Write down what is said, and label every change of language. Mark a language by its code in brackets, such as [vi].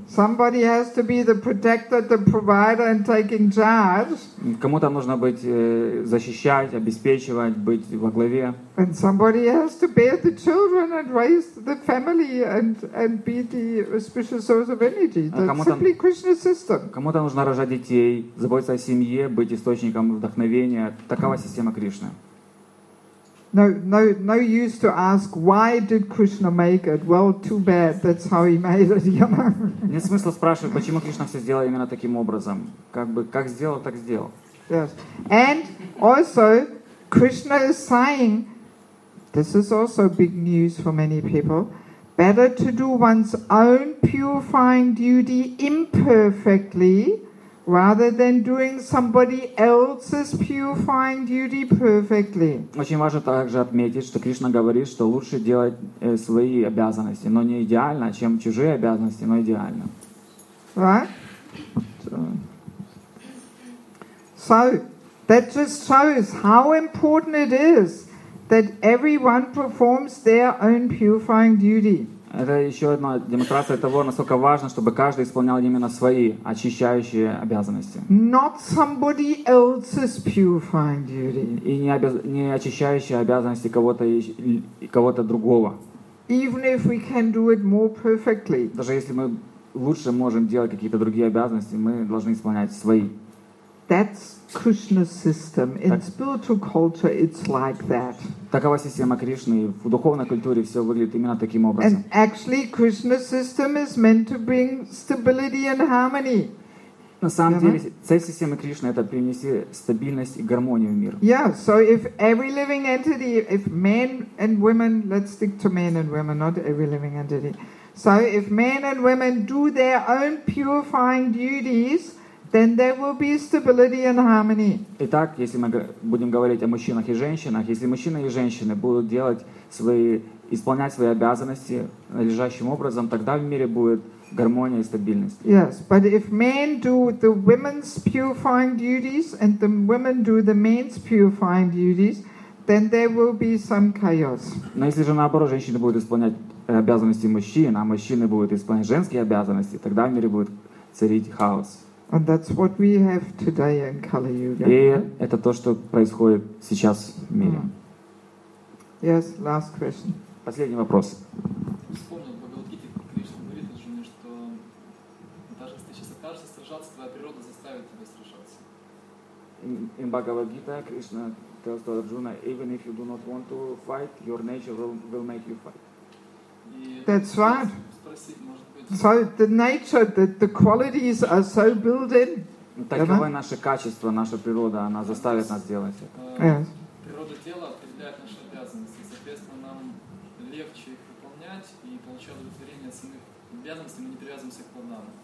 [en] Somebody has to be the protector, the provider, and taking charge. [ru] Кому-то нужно быть защищать, обеспечивать, быть во главе. [en] And somebody has to bear the children and raise the family and be the auspicious source of energy. That's simply Krishna's system. [ru] Кому-то нужно рожать детей, заботиться о семье, быть источником вдохновения. Такова система Кришны. [en] No use to ask why did Krishna make it. Well, too bad. That's how he made it. You know? [ru] Нет смысла спрашивать, почему Кришна все сделал именно таким образом. Как сделал, так сделал. Yes. [en] And also, Krishna is saying, this is also big news for many people. Better to do one's own purifying duty imperfectly, rather than doing somebody else's purifying duty perfectly. [ru] Очень важно также отметить, что Кришна говорит, что лучше делать свои обязанности, но не идеально, чем чужие обязанности, но идеально. [en] Right? So that just shows how important it is that everyone performs their own purifying duty. [ru] Это еще одна демонстрация того, насколько важно, чтобы каждый исполнял именно свои очищающие обязанности. [en] Not somebody else's purifying duty. [ru] И не очищающие обязанности кого-то другого. [en] Even if we can do it more perfectly. [ru] Даже если мы лучше можем делать какие-то другие обязанности, мы должны исполнять свои. [en] That's Krishna's system. In spiritual culture, it's like that. [ru] Такова система Кришны. В духовной культуре все выглядит именно таким образом. [en] And actually, Krishna's system is meant to bring stability and harmony. [ru] На самом деле, цель системы Кришны — это принести стабильность и гармонию в мир. [en] Yeah, so if every living entity, if men and women, let's stick to men and women, not every living entity. So if men and women do their own purifying duties, then there will be stability and harmony. [ru] Итак, если мы будем говорить о мужчинах и женщинах, если мужчины и женщины будут исполнять свои обязанности надлежащим образом, тогда в мире будет гармония и стабильность. [en] Yes, but if men do the women's purifying duties and the women do the men's purifying duties, then there will be some chaos. [ru] Но если же наоборот, женщины будут исполнять обязанности мужчин, а мужчины будут исполнять женские обязанности, тогда в мире будет царить хаос. [en] And that's what we have today in Kali Yuga. [ru] И это то, что происходит сейчас в мире. [en] Yes, last question. [ru] Последний вопрос. Вспомнил Бхагавад-гите, Кришна говорит, что даже если ты сейчас откажешься сражаться, твоя природа заставит тебя сражаться. [en] In Bhagavad-gita, Krishna tells to Arjuna, even if you do not want to fight, your nature will make you fight. That's right. So the nature, the qualities are so built in. [ru] Таковы наши качества, наша природа, она заставит нас делать это. Природа тела определяет наши обязанности, соответственно, нам легче их выполнять и получать удовлетворение от самих обязанностей, мы не привязываемся к плодам.